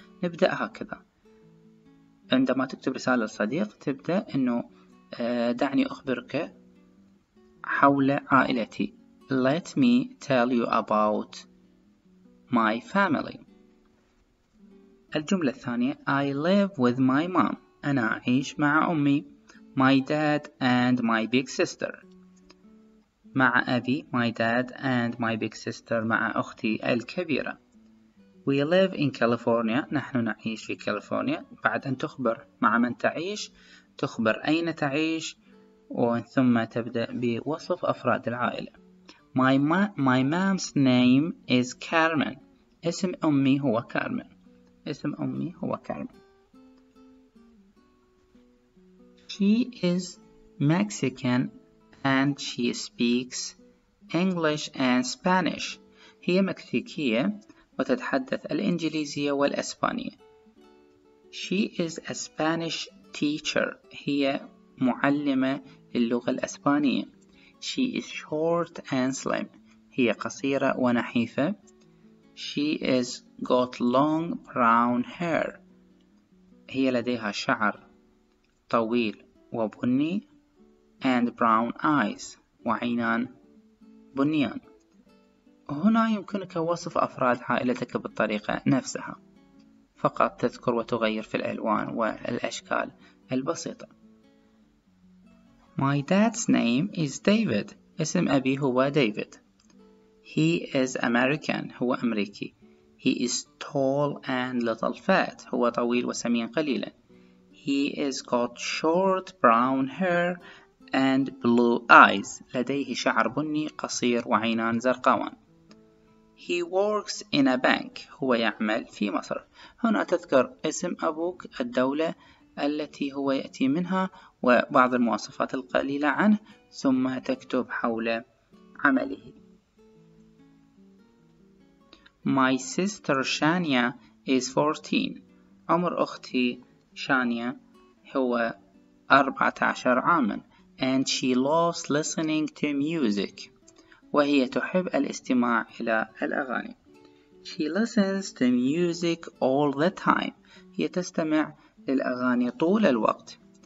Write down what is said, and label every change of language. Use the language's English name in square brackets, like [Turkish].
[Arabic] نبدأ هكذا عندما تكتب رسالة للصديق، تبدأ أنه دعني أخبرك حول عائلتي. [English] Let me tell you about my family. [Arabic] الجملة الثانية، [English] I live with my mom. [Arabic] أنا أعيش مع أمي. [English] My dad and my big sister. [Arabic] مع أبي. [English] My dad and my big sister. [Arabic] مع أختي الكبيرة. [English] We live in California. [Arabic] نحن نعيش في كاليفورنيا. بعد أن تخبر مع من تعيش، تخبر أين تعيش، ثم تبدأ بوصف أفراد العائلة. [English] My mom's name is Carmen. [Arabic] اسم أمي هو كارمن. اسم أمي هو كارمن. [English] She is Mexican and she speaks English and Spanish. [Arabic] هي مكسيكية وتتحدث الإنجليزية والإسبانية. [English] She is a Spanish teacher. [Arabic] هي معلمة للغة الإسبانية. [English] She is short and slim. [Arabic] هي قصيرة ونحيفة. [English] She has got long brown hair. هي لديها شعر طويل وبني. And brown eyes. [Arabic] وعينان بنيان. هنا يمكنك وصف أفراد عائلتك بالطريقة نفسها، فقط تذكر وتغير في الألوان والأشكال البسيطة. [English] My dad's name is David. [Arabic] اسم أبي هو David. [English] He is American. [Arabic] هو أمريكي. [English] He is tall and little fat. [Arabic] هو طويل وسمين قليلا. [English] He has got short brown hair and blue eyes. [Arabic] لديه شعر بني قصير وعينان زرقاوان. [English] He works in a bank. [Arabic] هو يعمل في مصرف. هنا تذكر اسم أبوك، الدولة التي هو يأتي منها وبعض المواصفات القليلة عنه، ثم تكتب حول عمله. [English] My sister Shania is 14. [Arabic] عمر أختي شانيا هو 14 عاما. [English] And she loves listening to music. [Arabic] وهي تحب الاستماع إلى الأغاني. [English] She listens to music all the time. [Arabic] هي تستمع للأغاني طول الوقت.